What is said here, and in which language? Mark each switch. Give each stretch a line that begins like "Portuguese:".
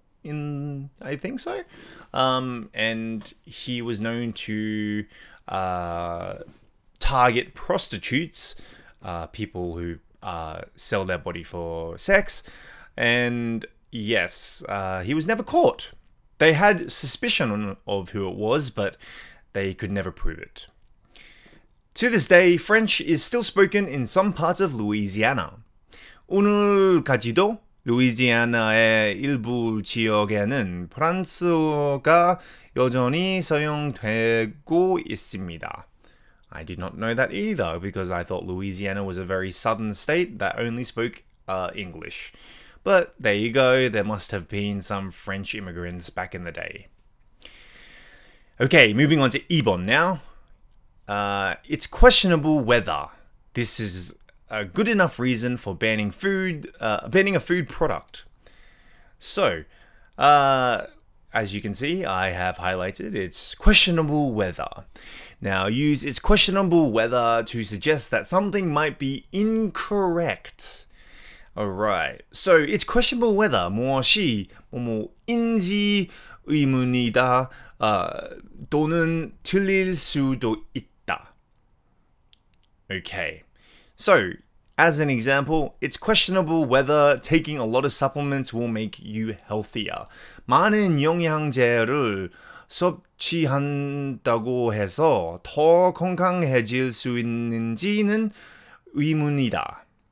English: I think so. And he was known to target prostitutes, people who sell their body for sex, and yes, he was never caught. They had suspicion of who it was, but they could never prove it. To this day, French is still spoken in some parts of Louisiana.
Korean: 오늘까지도 루이지애나의 일부 지역에는 프랑스어가 여전히 사용되고 있습니다.
English: I did not know that either, because I thought Louisiana was a very southern state that only spoke English. But there you go, there must have been some French immigrants back in the day. Okay, moving on to 2번 now. It's questionable whether this is a good enough reason for banning a food product. So, as you can see, I have highlighted, it's questionable whether. Now, use it's questionable whether to suggest that something might be incorrect. Alright, so it's questionable whether
Korean: 무엇이 뭐뭐인지 의문이다 또는 틀릴 수도 있다.
English: Okay, so as an example, it's questionable whether taking a lot of supplements will make you healthier.
Korean: 많은 영양제를 섭취한다고 해서 더 건강해질 수 있는지는 의문이다.